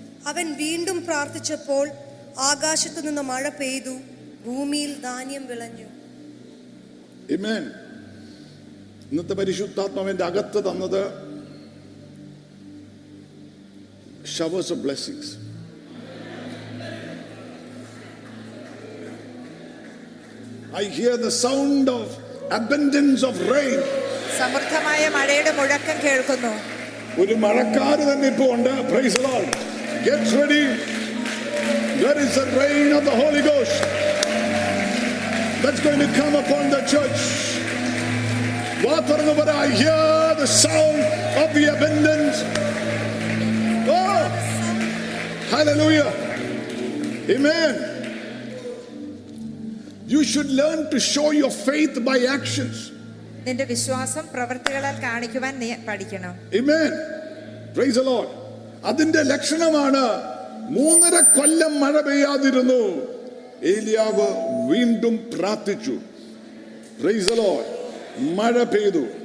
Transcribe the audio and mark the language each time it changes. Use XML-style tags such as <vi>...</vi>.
<ml>അവൻ വീണ്ടും പ്രാർത്ഥിച്ചപ്പോൾ ആകാശത്തു നിന്ന് മഴ പെയ്തു, ഭൂമിയിൽ ധാന്യം വിളഞ്ഞു. ആമേൻ. ഇന്നത്തെ പരിശുദ്ധാത്മാവിന്റെ അകത്ത് തന്നത്</ml> <en>Showers of blessings. I hear the sound of abundance of rain.</en> <ml>സമൃദ്ധമായ മഴയുടെ മുഴക്കം കേൾക്കുന്നു. ഒരു മഴക്കാർ തന്നെ ഇപ്പോ ഉണ്ട്.</ml> <en>Praise the Lord. Get ready. There is the rain of the Holy Ghost that's going to come upon the church.</en> <ml>വാതറുന്നവർ,</ml> <en>I hear the sound of the abundance. Oh! Hallelujah. Amen. You should learn to show your faith by actions.</en> <ml>നിന്റെ വിശ്വാസം പ്രവൃത്തികളാൽ കാണിക്കുവാൻ നീ പഠിക്കണം.</ml> <en>Amen. Praise the Lord.</en> <ml>അതിന്റെ ലക്ഷണമാണ് 3.5 കൊല്ലം മഴ പെയ്യാതിരുന്നു. ഏലിയാവ് വീണ്ടും പ്രാർത്ഥിച്ചു.</ml> <en>Praise the Lord.</en> <ml>മഴ പെയ്തു.</ml>